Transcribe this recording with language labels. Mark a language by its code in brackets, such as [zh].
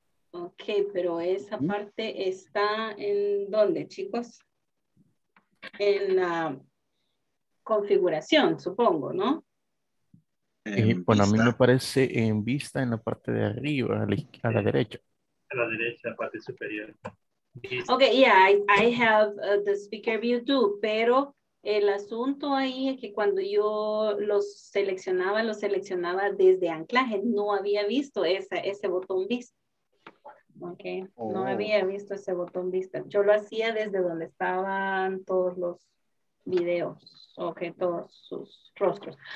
[es] Ok, pero esa parte está en ¿dónde, chicos? En la configuración, supongo, ¿no? Bueno, a mí me parece en vista en la parte de arriba, a la derecha. A la derecha, la parte superior. Vista. [en] Ok, yeah, I have the Speaker View too, [es] pero... El asunto ahí es que cuando yo los seleccionaba desde anclaje, no había visto ese botón vista. Ok, no había visto ese botón vista. Yo lo hacía desde donde estaban todos los videos, ok, todos sus rostros.